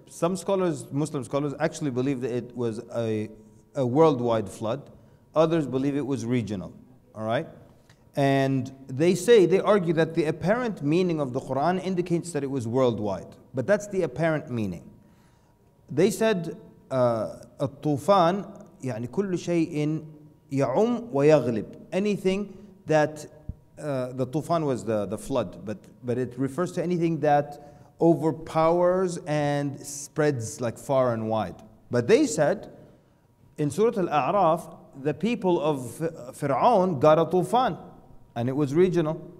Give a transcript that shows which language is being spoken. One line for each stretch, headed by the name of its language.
English: Some scholars, Muslim scholars, actually believe that it was a worldwide flood. Others believe it was regional. All right? And they say, they argue that the apparent meaning of the Quran indicates that it was worldwide. But that's the apparent meaning. They said,
Arabic: الطوفان يعني كل شيء يعم ويغلب.
English: Anything that, the طوفان was the flood, but it refers to anything that overpowers and spreads like far and wide. But they said, in Surah Al-A'raf, the people of Fir'aun got a tufan, and it was regional.